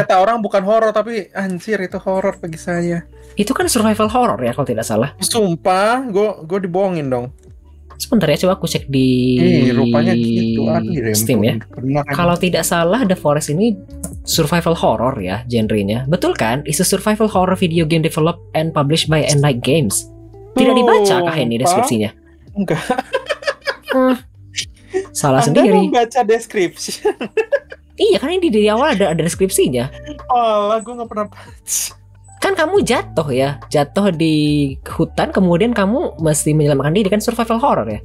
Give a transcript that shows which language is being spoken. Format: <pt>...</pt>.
<id>Kata orang bukan horror, tapi anjir itu horror bagi saya. Itu kan survival horror ya, kalau tidak salah. Sumpah, gue dibohongin dong. Sebentar ya, coba aku cek di rupanya gitu, Steam ya. Kalau tidak salah, The Forest ini survival horror ya, genre-nya. Betul kan?</id> <en>It's a survival horror video game developed and published by Enermax Games.</en> <id>Tidak dibaca kah ini deskripsinya? Enggak. Salah Anda sendiri. Anda membaca deskripsi. Iya, kan ini dari awal ada deskripsinya. Alah, gue gak pernah baca. Kan kamu jatuh ya, jatuh di hutan, kemudian kamu mesti menyelamatkan diri, kan survival horror ya?</id>